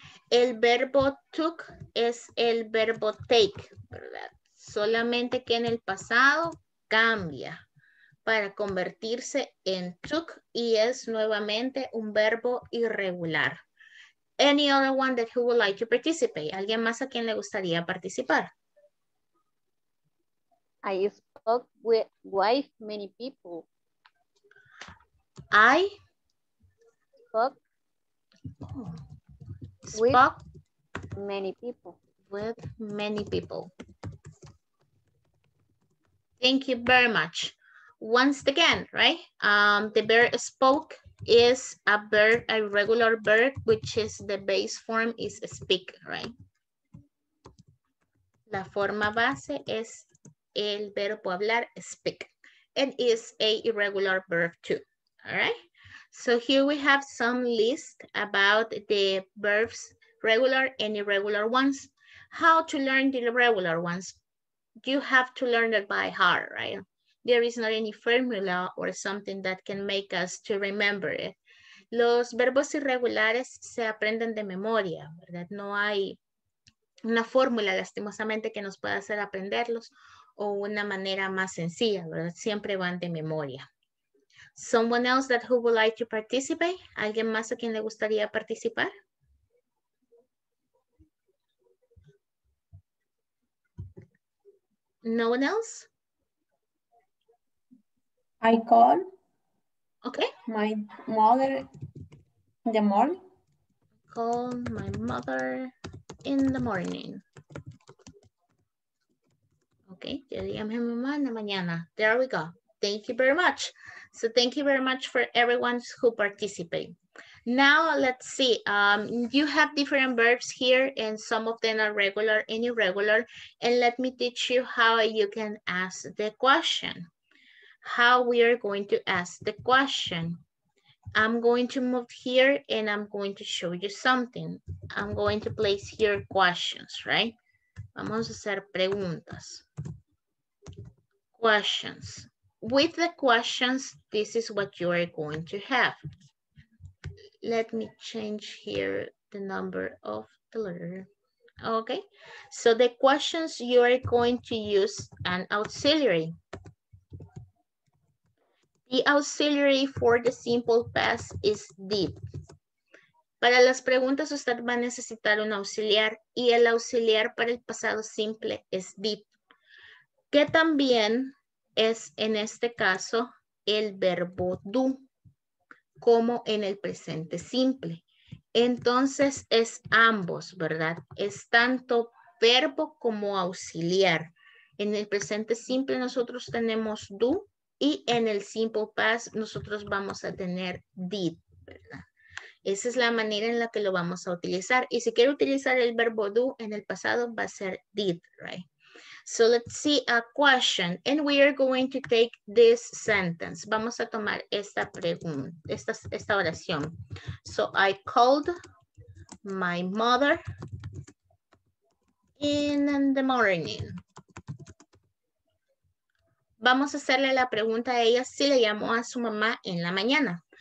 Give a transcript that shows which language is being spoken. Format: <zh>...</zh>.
<es>El verbo took es el verbo take, ¿verdad? Solamente que en el pasado cambia para convertirse en took y es nuevamente un verbo irregular.</es> <en>Any other one that who would like to participate?</en> <es>¿Alguien más a quien le gustaría participar?</es> <en>I spoke with wife many people. I spoke, with spoke many people. With many people. Thank you very much. Once again, right? The verb spoke is a verb, a regular verb, which is the base form is speak, right?</en> <es>La forma base es el verbo hablar, speak.</es> <en>And is a irregular verb too, all right? So here we have some list about the verbs, regular and irregular ones. How to learn the regular ones? You have to learn it by heart, right? There is not any formula or something that can make us to remember it.</en> <es>Los verbos irregulares se aprenden de memoria, ¿verdad? No hay una fórmula, lastimosamente, que nos pueda hacer aprenderlos o una manera más sencilla, ¿verdad? Siempre van de memoria.</es> <en>Someone else that who would like to participate?</en> <es>¿Alguien más a quien le gustaría participar?</es> <en>No one else? I call okay. My mother in the morning. Call my mother in the morning.</en> <es>Okay, yo llamo a mi mamá en la mañana.</es> <en>There we go. Thank you very much. So thank you very much for everyone who participated. Now let's see, you have different verbs here and some of them are regular and irregular. And let me teach you how you can ask the question. How we are going to ask the question. I'm going to move here and I'm going to show you something. I'm going to place here questions, right?</en> <es>Vamos a hacer preguntas.</es> <en>Questions. With the questions, this is what you are going to have. Let me change here the number of the letter. Okay, so the questions, you are going to use an auxiliary. The auxiliary for the simple past is did.</en> <es>Para las preguntas, usted va a necesitar un auxiliar y el auxiliar para el pasado simple es did. Que también es, en este caso, el verbo do, como en el presente simple. Entonces, es ambos, ¿verdad? Es tanto verbo como auxiliar. En el presente simple, nosotros tenemos do, y en el simple past, nosotros vamos a tener did, ¿verdad? Esa es la manera en la que lo vamos a utilizar. Y si quiere utilizar el verbo do en el pasado, va a ser did, right?</es> <en>So let's see a question, and we are going to take this sentence.</en> <es>Vamos a tomar esta pregunta, esta oración.</es> <en>So I called my mother in the morning.</en> <es>Vamos a hacerle la pregunta a ella si le llamó a su mamá en la mañana.</es>